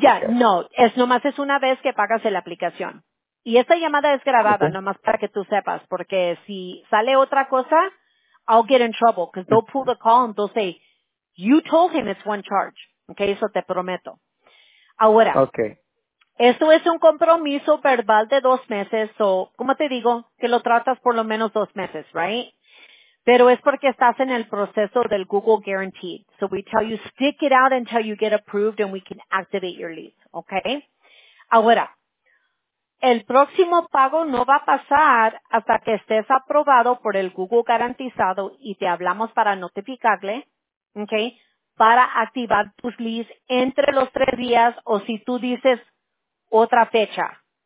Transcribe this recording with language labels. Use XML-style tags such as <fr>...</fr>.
<es>No, es nomás es una vez que pagas la aplicación. Y esta llamada es grabada, nomás para que tú sepas, porque si sale otra cosa,</es> <en>I'll get in trouble, because they'll pull the call and they'll say, you told him it's one charge.</en> <es>Okay, eso te prometo. Ahora, esto es un compromiso verbal de 2 meses, o, como te digo, que lo tratas por lo menos 2 meses, right? Pero es porque estás en el proceso del Google Guaranteed.</es> <en>So we tell you, stick it out until you get approved and we can activate your lease, okay?</en> <es>Ahora, el próximo pago no va a pasar hasta que estés aprobado por el Google Garantizado y te hablamos para notificarle, okay, para activar tus leases entre los 3 días o si tú dices otra fecha.</es>